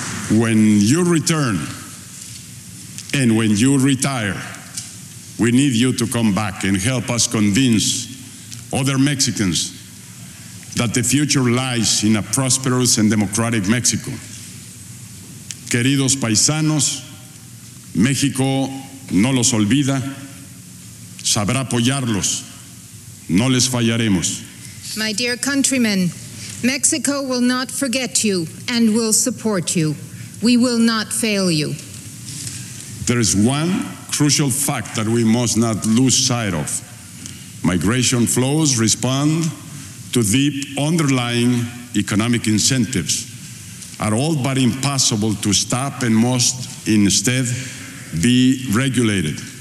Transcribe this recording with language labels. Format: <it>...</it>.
<en>When you return and when you retire, we need you to come back and help us convince other Mexicans that the future lies in a prosperous and democratic Mexico.</en> <es>Queridos paisanos, México no los olvida, sabrá apoyarlos, no les fallaremos.</es> <en>My dear countrymen, Mexico will not forget you and will support you. We will not fail you. There is one crucial fact that we must not lose sight of. Migration flows respond to deep underlying economic incentives, are all but impossible to stop and must instead be regulated.</en>